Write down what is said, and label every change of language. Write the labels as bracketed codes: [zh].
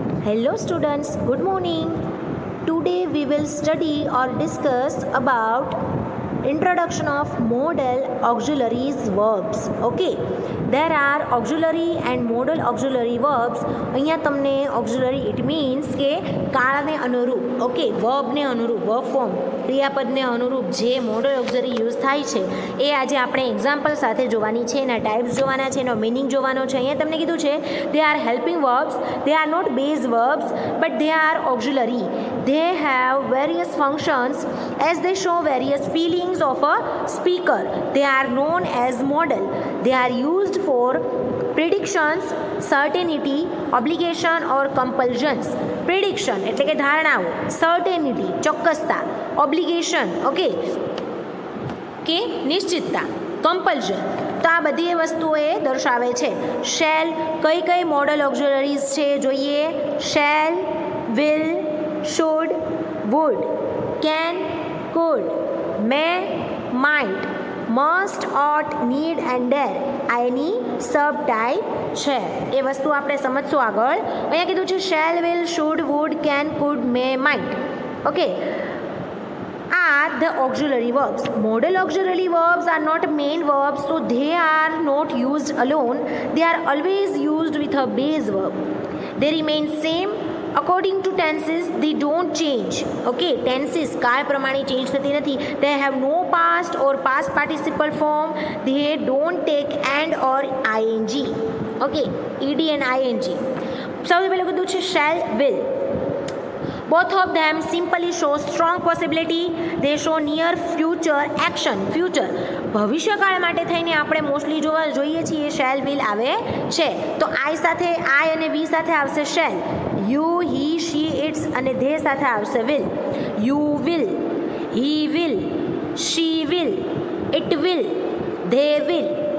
[en] Hello students, good morning. Today we will study or discuss about introduction of modal auxiliaries verbs. Okay, there are auxiliary and modal auxiliary verbs. [gu] અહીંયા તમને [en] auxiliary it means [gu] કે કાળને અનુરૂપ, okay, verbને અનુરૂપ, verb form, ક્રિયાપદને અનુરૂપ જે modal auxiliary use થાય છે એ આજે આપણે example સાથે જોવાની છે, એના types જોવાના છે, એનો meaning જોવાનો છે. અહીંયા તમને કીધું છે [en] they are helping verbs, they are not base verbs but they are auxiliary. They have various functions as they show various feelings of a speaker. They are known as modal. They are used for predictions, certainty, obligation or compulsions. [gu] Prediction એટલે કે ધારણાઓ, certainty ચોક્કસતા, obligation okay કે નિશ્ચિતતા, compulsion તો આ બધી વસ્તુઓ એ દર્શાવે છે. શેલ કઈ કઈ મોડલ ઓક્ઝિલરીઝ છે જોઈએ. [en] shall, will, should, would, can, could, may, might, must, ought, need and dare [gu] આની સબ ટાઈપ છે. એ વસ્તુ આપણે સમજશું આગળ. અહીંયા કીધું છે [en] Shall, will, should, would, can, could, may, might. Okay, આ the auxiliary verbs. Modal auxiliary verbs are not main verbs, so they are not used alone. They are always used with a base verb. They remain same According to tenses, they don't change. [gu] Okay, tenses, કાળ પ્રમાણે change થતી નથી. [en] They have no past or past participle form. They don't take and or ing. Okay, ed and ing. [gu] સૌથી પહેલું કીધું છે shall, will. [en] Both of them simply show strong possibility. They show near future action. Future. [gu] ભવિષ્યકાળ માટે થઈને આપણે mostly જોવા જોઈએ છીએ [en] shall, will [gu] આવે છે. તો I સાથે I અને V સાથે આવશે shall. [en] You, he, she, its અને they [gu] સાથે આવશે [en] will. You will, he will, she will, it will, they will.